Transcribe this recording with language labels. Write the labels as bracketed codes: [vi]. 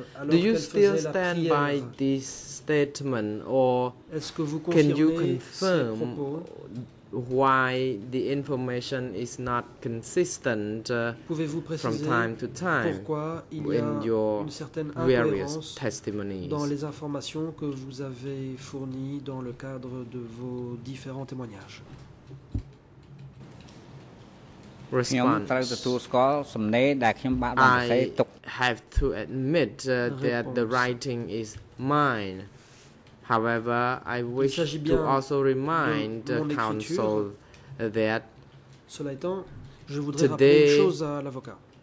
[en] Do you still stand by this statement, or can you confirm why the information is not consistent from time to time in your various testimonies? [fr] Dans les informations que vous avez fournies dans le cadre de vos différents témoignages. [en] Response. I have to admit that the writing is mine. However, I wish to also remind the counsel that [fr] cela étant, je voudrais rappeler une chose à l'avocat.